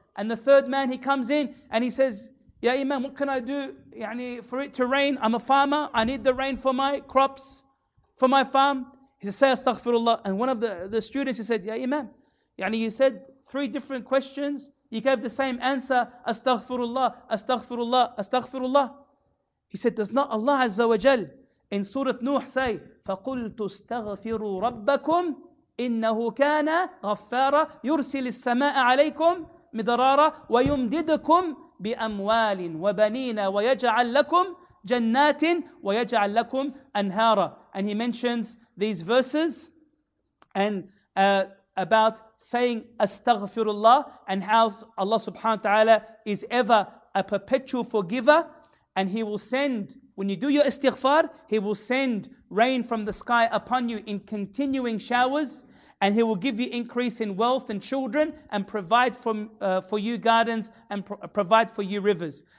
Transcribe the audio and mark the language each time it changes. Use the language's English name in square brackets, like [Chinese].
[English] And the third man, he comes in and he says, ya imam, what can I do yani, for it to rain? I'm a farmer, I need the rain for my crops, for my farm. He says, say astaghfirullah. And one of the students, he said, ya imam, yani, you said three different questions, you gave the same answer, astaghfirullah, astaghfirullah, astaghfirullah. He said, does not Allah Azza wa Jal in Surah Nuh say, [Arabic] فَقُلْتُ اسْتَغْفِرُوا رَبَّكُمْ إِنَّهُ كَانَ غَفَّارًا يُرْسِلِ السَّمَاءَ عَلَيْكُمْ مِدَرَارًا وَيُمْدِدْكُمْ بِأَمْوَالٍ وَبَنِينَ وَيَجْعَلْ لَكُمْ جَنَّاتٍ وَيَجْعَلْ لَكُمْ أَنْهَارًا. [English] And he mentions these verses and about saying astaghfirullah and how Allah subhanahu wa ta'ala is ever a perpetual forgiver. And he will send, when you do your istighfar, he will send rain from the sky upon you in continuing showers, and he will give you increase in wealth and children, and provide for you gardens, and provide for you rivers.